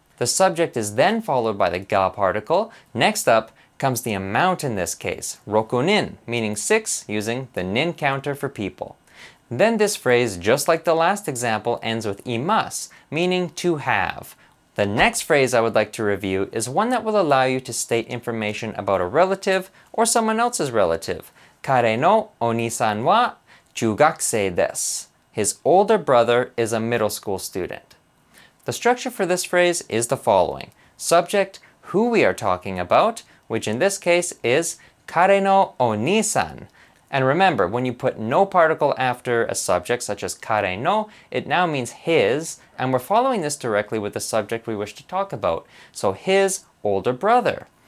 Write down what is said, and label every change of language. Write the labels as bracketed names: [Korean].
[English] The subject is then followed by the が particle. Next up comes the amount in this case, 6人, meaning 6 using the nin counter for people. Then this phrase, just like the last example, ends with imasu, meaning to have. The next phrase I would like to review is one that will allow you to state information about a relative or someone else's relative. [Japanese] 彼のお兄さんは中学生です。 [English] His older brother is a middle school student. The structure for this phrase is the following. Subject, who we are talking about, which in this case is 彼のお兄さん。 And remember, when you put no particle after a subject, such as 彼の, it now means his, and we're following this directly with the subject we wish to talk about, so his older brother.